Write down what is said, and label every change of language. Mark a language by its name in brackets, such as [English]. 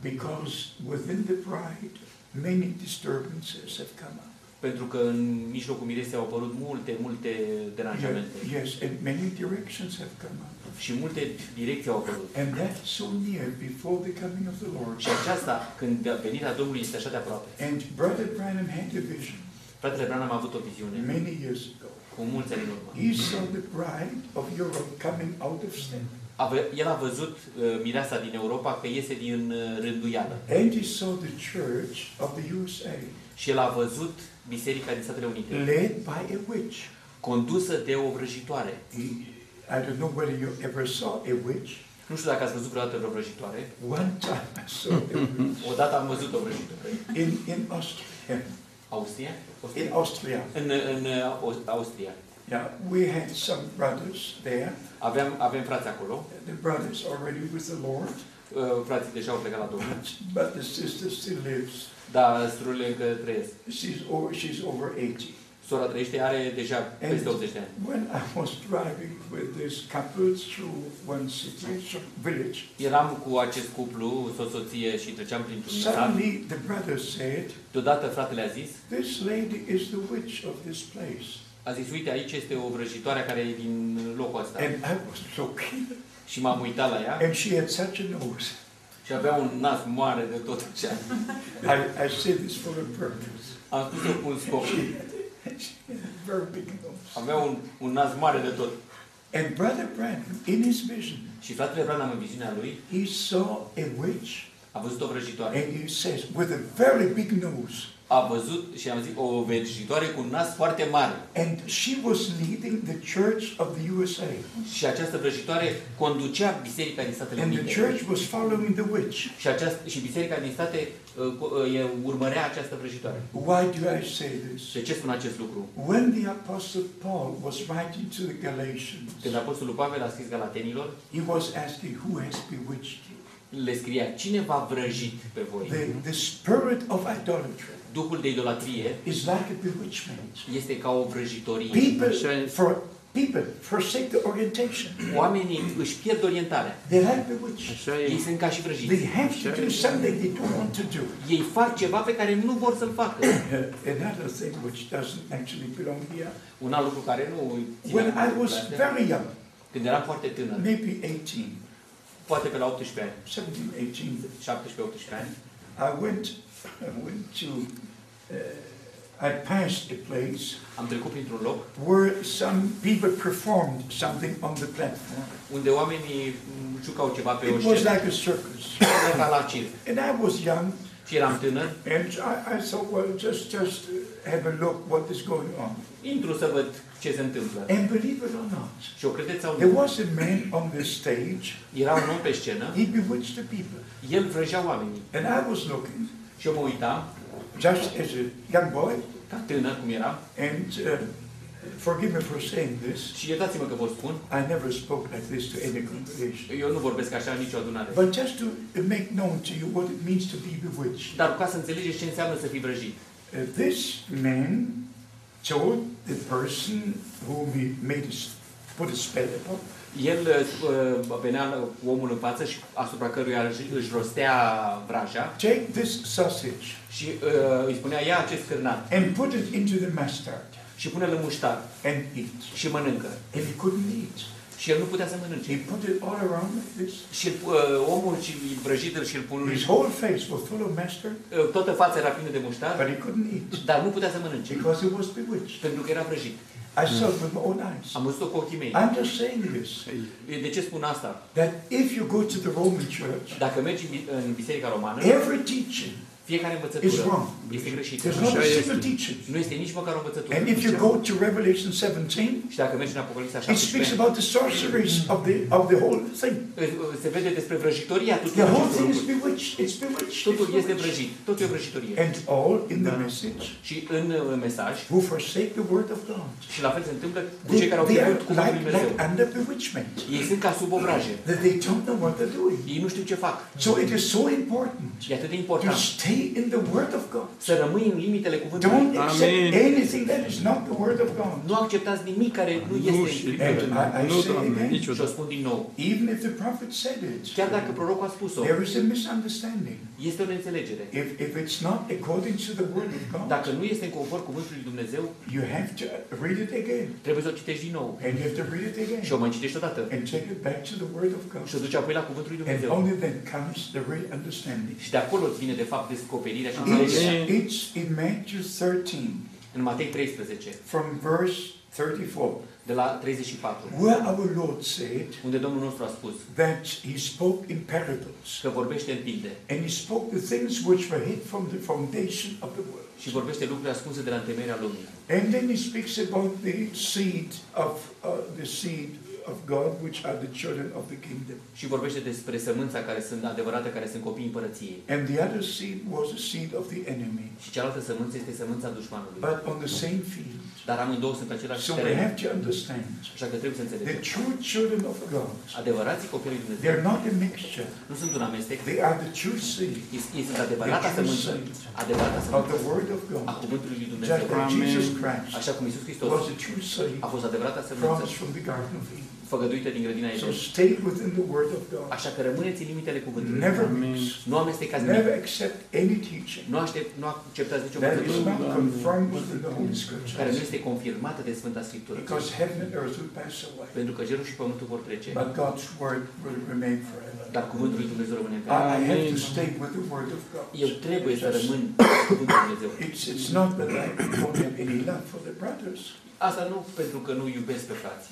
[English] Because within the bride, many disturbances have come up. [Romanian] Pentru că în mijlocul mireasei au apărut multe, multe deranjamente. [English] Yes, and many directions have come up. [Romanian] Și multe direcții au apărut. [English] And that so near before the coming of the Lord. [Romanian] Și aceasta, când venirea Domnului este așa de aproape. [English] And Brother Branham had a vision. [Romanian] Fratele Branham a avut o viziune. [English] Many years ago. [Romanian] Cu mulți ani în urmă. [English] He saw the bride of Europe coming out of sin. [Romanian] El a văzut mireasa din Europa că iese din rânduială. [English] And he saw the church of the USA. [Romanian] Și el a văzut biserica din Statele Unite. [English] Led by a witch. [Romanian] Condusă de o vrăjitoare. [English] I don't know whether you ever saw a witch. [Romanian] Nu știu dacă ați văzut vreodată o vrăjitoare. [English] One time I saw a witch. [Romanian] Odată am văzut o vrăjitoare. [English] In Austria. [Romanian] Austria? [English] In Austria. [Romanian] În Austria. [English] Yeah, we had some brothers there. [Romanian] Avem frați acolo. [English] The brothers already with the Lord. [Romanian] Frații deja au plecat la Domnul. [English] But the sister still lives. [Romanian] Da, surorile încă trăiesc. [English] She's over 80. [Romanian] Sora trăiește, are deja peste 80 de ani. [English] When I was driving with this couple through one city, village. [Romanian] Eram cu acest cuplu, soț-soție și treceam printr-un sat. [English] Suddenly the brother said. [Romanian] Deodată fratele a zis. [English] This lady is the witch of this place. [Romanian] A zis, uite, aici este o vrăjitoare care e din locul ăsta. [English] And I was shocked. [Romanian] Și m-am uitat la ea. [English] And she had such a nose. [Romanian] Și avea un nas mare de tot așa. [English] I said this for a purpose. [Romanian] Am spus-o cu un scop. [English] Very big nose. [Romanian] Avea un nas mare de tot. [English] And Brother Branham, in his vision. [Romanian] Și fratele Branham, în viziunea lui. [English] He saw a witch. [Romanian] A văzut o vrăjitoare. [English] And he says, with a very big nose. [Romanian] A văzut și am zis, o vrăjitoare cu un nas foarte mare. [English] And she was leading the church of the USA. [Romanian] Și această vrăjitoare conducea biserica din Statele Unite. [English] And the church was following the witch. [Romanian] Și biserica din state urmărea această vrăjitoare. [English] Why do I say this? [Romanian] De ce spun acest lucru? [English] When the apostle Paul was writing to the Galatians. [Romanian] Când apostolul Pavel a scris galatenilor, [English] he was asking who has bewitched you. [Romanian] Le scria, cine v-a vrăjit pe voi? [English] The spirit of idolatry. [Romanian] Duhul de idolatrie [English] is like a bewitchment. [Romanian] Este ca o vrăjitorie. [English] People for People forsake the orientation. [Romanian] Oamenii își pierd orientarea. [English] They like the witch. [Romanian] Ei sunt ca și vrăjiți. [English] They have to do something they don't want to do. [Romanian] Ei fac ceva pe care nu vor să-l facă. [English] Another thing which doesn't actually belong here. [Romanian] Un alt lucru care nu. [English] When I was very young. [Romanian] Când eram foarte tânăr. [English] Maybe 18. [Romanian] Poate pe la 18 ani. [English] 17, 18. I passed a place. [Romanian] Am trecut printr-un loc. [English] Where some people performed something on the platform. [Romanian] Unde oamenii jucau ceva pe o scenă. [English] It was like a circus. [Romanian] Era la circ. [English] And I was young. [Romanian] Și eram tânăr. [English] And I thought, well, just have a look what is going on. [Romanian] Intru să văd ce se întâmplă. [English] And believe it or not. [Romanian] Și o credeți sau nu? [English] There was a man on the stage. [Romanian] Era un om pe scenă. [English] He bewitched the people. [Romanian] El vrăjea oamenii. [English] And I was looking. [Romanian] Și eu mă uitam. [English] Just as a young boy, [Romanian] tânăr cum era, [English] and forgive me for saying this. [Romanian] Și iertați-mă că vă spun. [English] I never spoke like this to any congregation. [Romanian] Eu nu vorbesc așa nicio adunare. [English] But just to make known to you what it means to be bewitched. [Romanian] Dar ca să înțelegeți ce înseamnă să fii vrăjit. [English] This man told the person whom he made put a spell upon. [Romanian] El venea omul în față și asupra căruia își rostea vraja. [English] Take this sausage. [Romanian] Și îi spunea, ia acest cârnat. [English] And put it into the mustard. [Romanian] Și pune-l în muștar. [English] And eat. [Romanian] Și mănâncă. [English] And he couldn't eat. [Romanian] Și el nu putea să mănânce. [English] He put it all around like this. [Romanian] Și omul și vrăjitul și îl pune. [English] His whole face was full of mustard. [Romanian] Toată fața era plină de muștar. [English] But he couldn't eat. [Romanian] Dar nu putea să mănânce. [English] Because he was bewitched. [Romanian] Pentru că era vrăjit. [English] I saw with my own eyes. [Romanian] Am văzut-o cu ochii mei. [English] I'm just saying this. [Romanian] De ce spun asta? [English] That if you go to the Roman Church, [Romanian] dacă mergi în biserica romană, [English] every teaching, [Romanian] fiecare învățătură este greșită. Nu este nici măcar o învățătură. [English] And if you go to Revelation 17, [Romanian] și dacă mergi în Apocalipsa 17, [English] it speaks about the sorceries of the whole thing. [Romanian] Se vede despre vrăjitoria tuturor. [English] The whole thing is bewitched. It's bewitched. [Romanian] Totul este vrăjit. Totul e vrăjitorie. [English] And all in the message. [Romanian] Și în mesaj. [English] Who forsake the word of God? [Romanian] Și la fel se întâmplă cu cei care au pierdut cuvântul lui Dumnezeu. [English] Like under bewitchment. [Romanian] Ei sunt ca sub obraje. [English] They don't know what they're doing. [Romanian] Ei nu știu ce fac. [English] So it is so important. [Romanian] E atât de important. [English] In the word of God. [Romanian] Să rămâi în limitele cuvântului. [English] Don't accept anything that is not the word of God. [Romanian] Nu acceptați nimic care nu este scripturile. Și o spun din nou. [English] Even if the prophet said it. [Romanian] Chiar dacă prorocul a spus-o. [English] There is a misunderstanding. [Romanian] Este o neînțelegere. [English] If it's not according to the word of God. [Romanian] Dacă nu este în conform cuvântului lui Dumnezeu. [English] You have to read it again. [Romanian] Trebuie să o citești din nou. [English] And you have to read it again. [Romanian] Și o mai citești o dată. [English] And take it back to the word of God. [Romanian] Și o duci apoi la cuvântul lui Dumnezeu. [English] And only then comes the real understanding. [Romanian] Și de acolo vine de fapt [English] It's in Matthew 13. [Romanian] În Matei 13. [English] From verse 34. [Romanian] De la 34. [English] Where our Lord said. [Romanian] Unde Domnul nostru a spus. [English] That he spoke in parables. [Romanian] Că vorbește în pilde. [English] And he spoke the things which were hid from the foundation of the world. [Romanian] Și vorbește lucrurile ascunse de la întemeirea lumii. [English] And then he speaks about the seed of the seed of God which are the children of the kingdom. [Romanian] Și vorbește despre sămânța care sunt adevărată, care sunt copiii împărăției. [English] And the other seed was the seed of the enemy. [Romanian] Și cealaltă sămânță este sămânța dușmanului. [English] But on the same field. [Romanian] Dar amândouă sunt pe același teren. [English] So we have to understand. [Romanian] Așa că trebuie să înțelegem. [English] The true children of God. [Romanian] Adevărații copii ai Dumnezeu. [English] They are not a mixture. [Romanian] Nu sunt un amestec. [English] They are the true seed. [Romanian] Ei sunt adevărata sămânță. Adevărata sămânță. [English] Of the word of God. [Romanian] A cuvântului lui Dumnezeu. Așa cum Iisus Hristos a fost adevărata sămânță. Făgăduită din grădina Eden. [English] So stay within the word of God. [Romanian] Așa că rămâneți în limitele cuvântului. [English] Never mix. [Romanian] Nu amestecați nimic. [English] Never accept any teaching. [Romanian] Nu acceptați nicio învățătură. [English] Confirmed with the Holy Scriptures. [Romanian] Care nu este confirmată de Sfânta Scriptură. [English] Because heaven and earth will pass away. [Romanian] Pentru că cerul și pământul vor trece. [English] But God's word will remain forever. [Romanian] Dar cuvântul lui Dumnezeu rămâne în veac. [English] I have to stay with the word of God. [Romanian] Eu trebuie să rămân în cuvântul lui Dumnezeu. [English] It's not that I don't have any love for the brothers. [Romanian] Asta nu pentru că nu iubesc pe frați.